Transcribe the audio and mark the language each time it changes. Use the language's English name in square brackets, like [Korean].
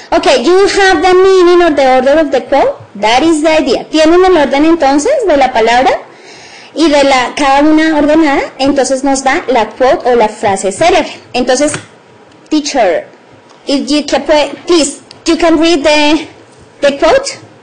[English] Okay, you have the meaning or the order of the quote. That is the idea. [Spanish] Tienen el orden entonces de la palabra y de la cada una ordenada. Entonces nos da la quote o la frase célebre. [English] Entonces, teacher, if you can please, you can read the quote.